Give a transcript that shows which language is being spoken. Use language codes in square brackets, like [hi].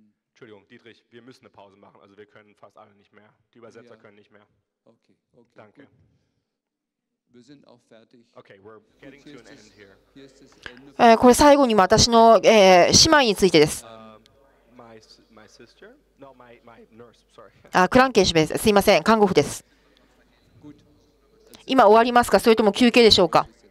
[de] Entschuldigung, Dietrich, wir müssen eine Pause machen. Also wir können fast alle nicht mehr. Die Übersetzer können nicht mehr. Okay. Danke. Wir sind auch fertig. [en] Okay, we're getting to an end here. [ja] これ最後に私の姉妹についてです。 [en] My sister? No, my nurse. Sorry. [ja] クランケン氏です。すいません、看護婦です。今終わりますか、それとも休憩でしょうか。